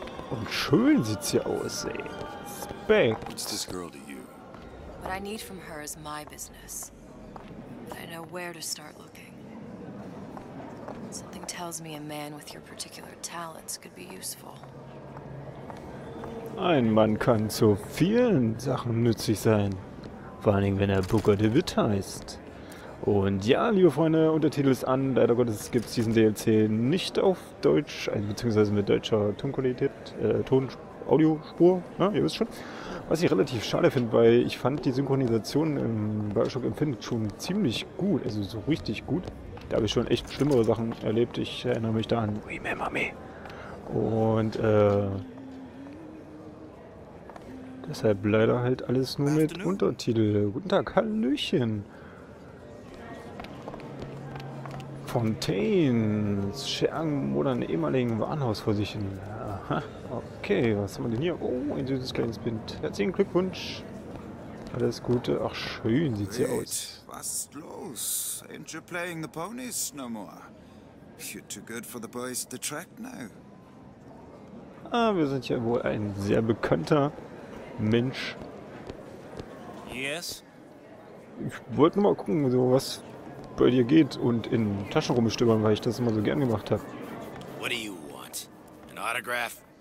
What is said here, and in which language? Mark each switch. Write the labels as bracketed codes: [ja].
[de] Und schön sieht sie aus, ey. Speck. [en] What's this girl to you? What I need from her is my business. But I know where to start looking. Something tells me a man with your particular talents could be useful. [de] Ein Mann kann zu vielen Sachen nützlich sein. Vor allen Dingen, wenn er Booker DeWitt heißt. Und ja, liebe Freunde, Untertitel ist an. Leider Gottes gibt es diesen DLC nicht auf Deutsch, beziehungsweise mit deutscher Tonqualität, Audiospur, ja, ihr wisst schon. Was ich relativ schade finde, weil ich fand die Synchronisation im Bioshock Infinite schon ziemlich gut, also so richtig gut. Da habe ich schon echt schlimmere Sachen erlebt. Ich erinnere mich da an Remember Me. Und deshalb leider halt alles nur mit Untertitel. Guten Tag, Hallöchen. Fontaines Schergen oder ein ehemaligen Warenhaus vor sich hin. Aha, okay, was haben wir denn hier? Oh, ein süßes kleines Kind. Herzlichen Glückwunsch. Alles Gute. Ach, schön sieht sie aus. Was ist los? [en] Ain't you playing the ponies no more? You're too good for the boys at the track now. [de] Ah, wir sind ja wohl ein sehr bekannter Mensch. [en] Yes? [de] Ich wollte nur mal gucken, so was bei dir geht und in Taschen rumstöbern, weil ich das immer so gern gemacht habe. [en] What do you want? An autograph?